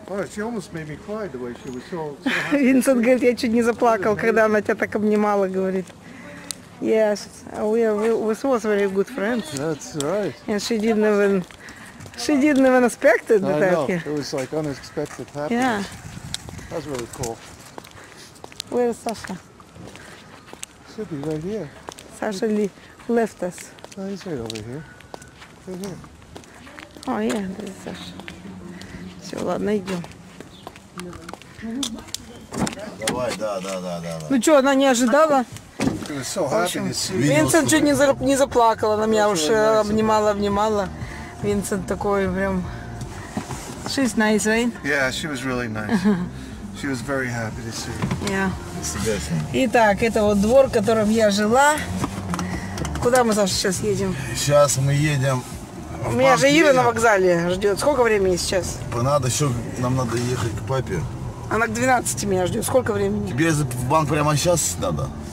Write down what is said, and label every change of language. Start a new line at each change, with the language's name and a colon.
English: Wow, she almost made me cry the way she was so.
Russian: Винсент говорит, я чуть не заплакал, когда она тебя так обнимала, говорит.
English: Yes, we was very good friends. That's right. And she didn't even. She didn't even expect it. I know. It was like unexpected happiness. Yeah. That's really cool. Where is Sasha? Should be right here. Sasha left us. No, he's right over here. Right here.
Russian: О, я, да, Саша. Все, ладно, идем. Давай, да. Ну что, она не ожидала? So в общем, Винсент чуть не заплакала, она меня уж обнимала. Винсент такой прям... She's nice, right?
English: Yeah, she was really nice. She was very happy to see you. Yeah.
Russian: Итак, это вот двор, в котором я жила. Куда мы, Саша, сейчас едем? Сейчас мы едем... У меня же Ира на вокзале ждет. Сколько времени сейчас? Надо еще, нам надо ехать к папе. Она к 12 меня ждет. Сколько времени? Тебе в банк прямо сейчас надо?